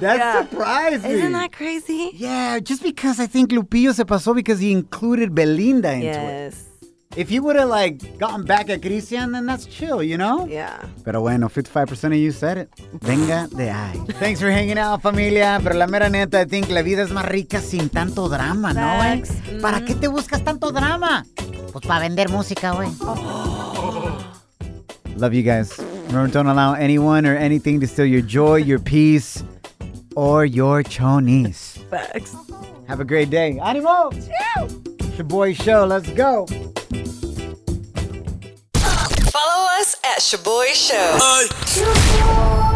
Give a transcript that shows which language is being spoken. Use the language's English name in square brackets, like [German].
[English] That's surprising. Isn't that crazy? Yeah, just because I think Lupillo [Spanish] se pasó [English] because he included Belinda into it. If you would have, like, gotten back at Cristian, then that's chill, you know? Yeah. [Spanish] Pero bueno, [English] 55% of you said it. [Spanish] Venga de ahí. [English] Thanks for hanging out, familia. [Spanish] Pero la mera neta, [English] I think [Spanish] la vida es más rica sin tanto drama, [English] Sex. [Spanish] ¿No, güey? ¿Para qué te buscas tanto drama? Pues para vender música, güey. [English] Love you guys. Remember, don't allow anyone or anything to steal your joy, your peace, or your chonies. Facts. Have a great day. Animo! It's your boy Show. Let's go. Follow us at Shaboy Show.